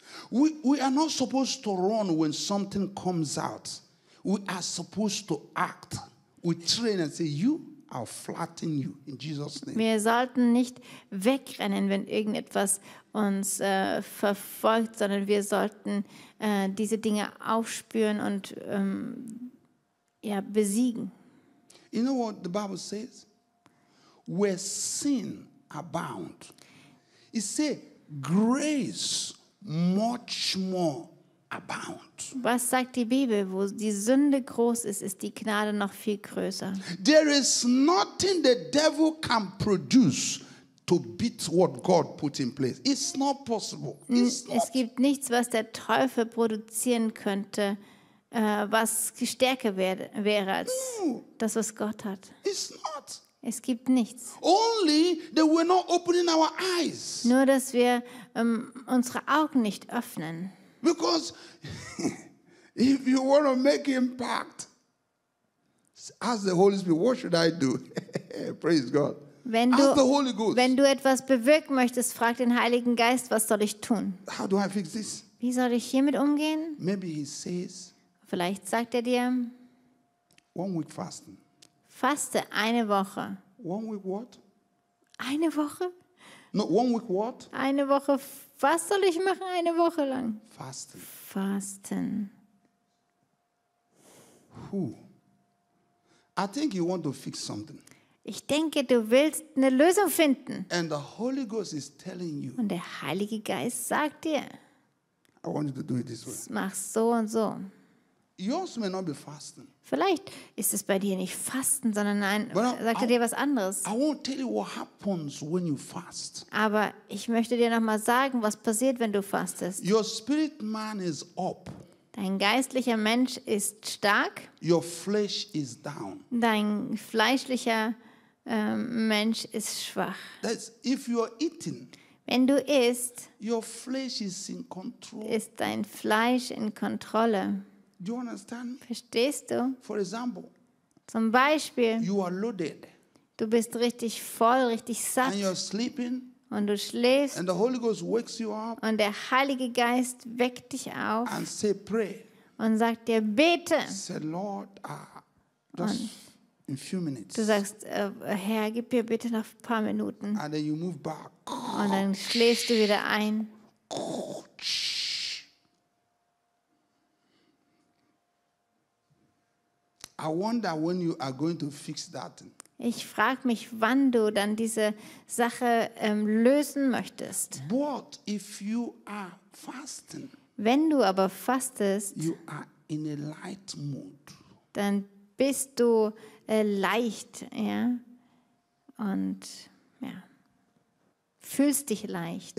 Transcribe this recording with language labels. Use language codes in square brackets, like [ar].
[en] We are not supposed to run when something comes out. We are supposed to act. We train and say, you. I'll flatten you in Jesus' name. [de] Wir sollten nicht wegrennen, wenn irgendetwas uns verfolgt, sondern wir sollten diese Dinge aufspüren und besiegen. [en] You know what the Bible says? Where sin abound, it say grace much more abound. [de] Was sagt die Bibel? Wo die Sünde groß ist, ist die Gnade noch viel größer. [en] There is nothing the devil can produce to beat what God put in place. It's not possible. [de] Es gibt nichts, was der Teufel produzieren könnte, was stärker wäre als das, was Gott hat. [en] It's not. [de] Es gibt nichts. [en] Only that we're not opening our eyes. [de] Nur, dass wir unsere Augen nicht öffnen. [en] Because if you want to make impact, ask the Holy Spirit, what should I do? Praise God. [de] Wenn du, [en] ask the Holy Ghost. [de] Wenn du etwas bewirken möchtest, frag den Heiligen Geist, was soll ich tun? [en] How do I fix this? [de] Wie soll ich hiermit umgehen? [en] Maybe he says, [de] vielleicht sagt er dir, [en] 1 week fasten. [de] Faste eine Woche. [en] 1 week what? [de] Eine Woche? [en] No, 1 week what? [de] Eine Woche Was soll ich machen eine Woche lang? Fasten. Fasten. Puh. [en] I think you want to fix something. [de] Ich denke, du willst eine Lösung finden. [en] And the Holy Ghost is telling you. [de] Und der Heilige Geist sagt dir. [en] I want you to do it this way. [de] Mach so und so. [en] Yours may not be fasting. [de] Vielleicht ist es bei dir nicht Fasten, sondern nein, sagt er dir was anderes. [en] I won't tell you what happens when you fast. [de] Aber ich möchte dir nochmal sagen, was passiert, wenn du fastest. [en] Your spirit man is up. [de] Dein geistlicher Mensch ist stark. [en] Your flesh is down. [de] Dein fleischlicher Mensch ist schwach. [en] That's if you are eating. [de] Wenn du isst, [en] your flesh is in control. [de] Ist dein Fleisch in Kontrolle. [en] Do you understand? [de] Verstehst du? [en] For example, [de] zum Beispiel, [en] you are loaded. [de] Du bist richtig voll, richtig satt. [en] And you're sleeping. [de] Und du schläfst. [en] And the Holy Ghost wakes you up. [de] Und der Heilige Geist weckt dich auf. [en] And say pray. [de] Und sagt dir bete. [en] Say Lord, just in few minutes. [de] Du sagst, Herr, gib mir bitte noch ein paar Minuten. [en] And then you move back. [de] Und dann schläfst du wieder ein. [en] I wonder when you are going to fix that. [de] Ich frage mich, wann du dann diese Sache lösen möchtest. [en] But if you are fasting, [de] wenn du aber fastest, [en] you are in a light mood. [de] Dann bist du leicht, ja, und ja, fühlst dich leicht.